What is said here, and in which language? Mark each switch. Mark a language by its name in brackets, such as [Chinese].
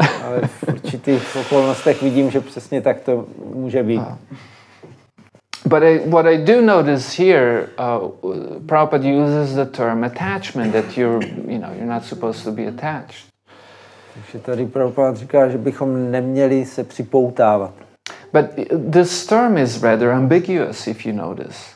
[Czech] Ale v určitých okolnostech vidím, že přesně tak to může být. [English] But what I do notice here, Prabhupada uses the term attachment, that you're not supposed to be attached. [Czech] Takže tady Prabhupada říká, že bychom neměli se připoutávat. [English] But this term is rather ambiguous, if you notice.